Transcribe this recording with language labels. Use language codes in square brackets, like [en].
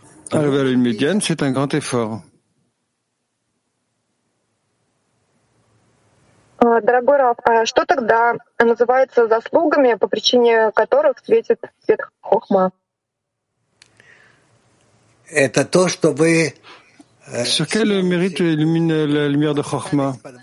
[fr] Arriver à la ligne médiane, c'est un grand effort. [ru] Дорогой Раф, а что тогда называется заслугами, по причине которых светит свет Хохма? Это то, что вы... [fr] Sur quel mérite illumine la lumière de Хохма?